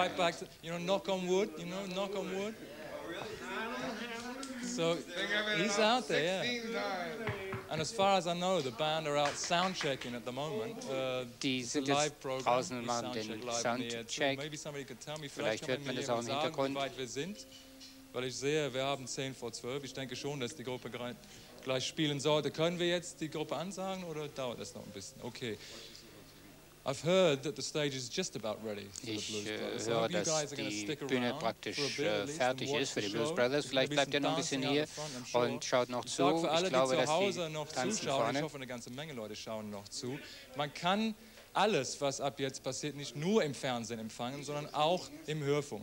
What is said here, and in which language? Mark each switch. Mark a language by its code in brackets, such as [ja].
[en] Right back to, you know, Knock on Wood, you know, Knock on Wood. So, he's out there, yeah. And as far as I know, the band are out soundchecking at the moment. [de] Die sind jetzt draußen und machen den Soundcheck. Vielleicht hört man das auch im Hintergrund. Wie weit wir sind, weil ich sehe, wir haben 10 vor 12. Ich denke schon, dass die Gruppe gleich spielen sollte. Können wir jetzt die Gruppe ansagen oder dauert das noch ein bisschen? Okay. [en] I've heard that the stage is just about ready for [de] ich [en] the Blues Brothers. [de] Höre, dass die Bühne praktisch fertig ist für die Blues Brothers. Vielleicht bleibt ihr noch ein bisschen hier [en] sure. [de] und schaut noch zu. Ich glaube, dass die tanzen vorne. Ich hoffe, eine ganze Menge Leute schauen noch zu. Man kann alles, was ab jetzt passiert, nicht nur im Fernsehen empfangen, sondern auch im Hörfunk.